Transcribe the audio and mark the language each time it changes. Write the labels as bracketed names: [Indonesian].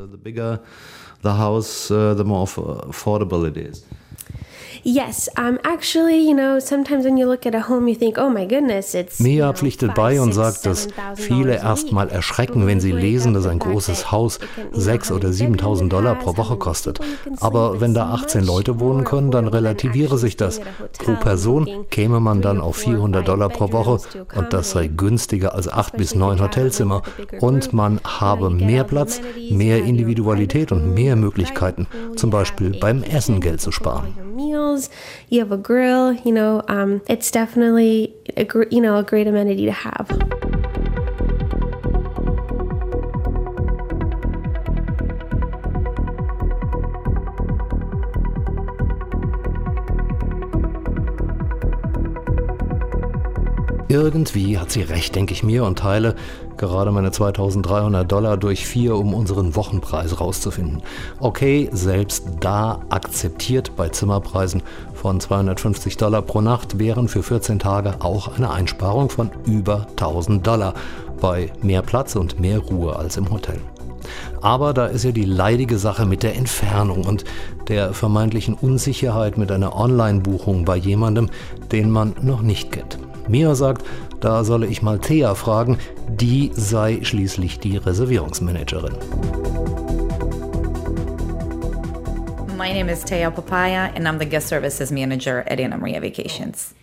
[English] The bigger the house, the more affordable it is. Yes, actually, you know, sometimes when you look at a home, you think, oh my goodness, it's. [German] Mia pflichtet bei und sagt, dass viele erstmal erschrecken, wenn sie lesen, dass ein großes Haus $6,000 or $7,000 pro Woche kostet. Aber wenn da 18 Leute wohnen können, dann relativiere sich das. Pro Person käme man dann auf $400 pro Woche und das sei günstiger als 8 bis 9 Hotelzimmer. Und man habe mehr Platz, mehr Individualität und mehr Möglichkeiten, zum Beispiel beim Essen Geld zu sparen. [English] You have a grill, you know, it's definitely a great amenity to have. [German] Irgendwie hat sie recht, denke ich mir, und teile gerade meine $2,300 durch 4, um unseren Wochenpreis rauszufinden. Okay, selbst da akzeptiert bei Zimmerpreisen von $250 pro Nacht wären für 14 Tage auch eine Einsparung von über $1,000 bei mehr Platz und mehr Ruhe als im Hotel. Aber da ist ja die leidige Sache mit der Entfernung und der vermeintlichen Unsicherheit mit einer Online-Buchung bei jemandem, den man noch nicht kennt. Mia sagt, da solle ich mal Thea fragen, die sei schließlich die Reservierungsmanagerin. [English] My name is Thea Papaya and I'm the guest services manager at Anna Maria Vacations.